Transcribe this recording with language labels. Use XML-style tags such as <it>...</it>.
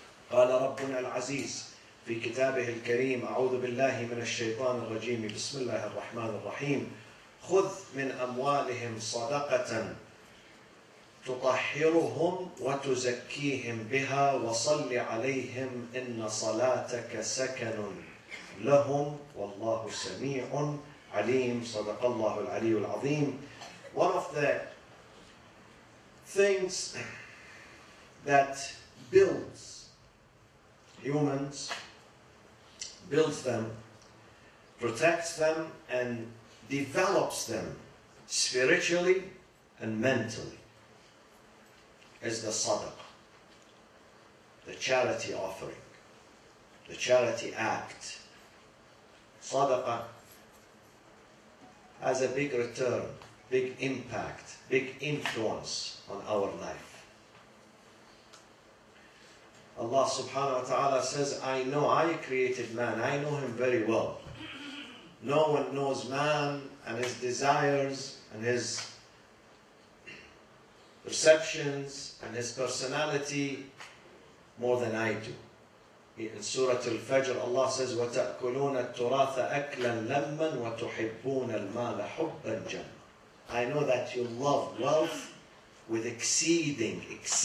<ar>قال ربنا العزيز في كتابه الكريم أعوذ بالله من الشيطان الرجيم بسم الله الرحمن الرحيم خذ من أموالهم صدقة تطهرهم وتزكيهم بها وصل عليهم إن صلاتك سكن لهم والله سميع عليم. صدق الله العلي العظيم.</ar> <en>One of the things that builds humans, builds them, protects them and develops them spiritually and mentally is the sadaqah, the charity offering, the charity act. Sadaqah has a big return, big impact, big influence on our life. Allah subhanahu wa ta'ala says, I know, I created man, I know him very well. No one knows man and his desires and his perceptions and his personality more than I do. In Surah Al-Fajr, Allah says,</en> <ar>وَتَأْكُلُونَ التُّرَاثَ أَكْلًا لَمًّا وَتُحِبُّونَ الْمَالَ حُبًّا جَمًّا.</ar> <en>I know that you love wealth with exceedingly.</en>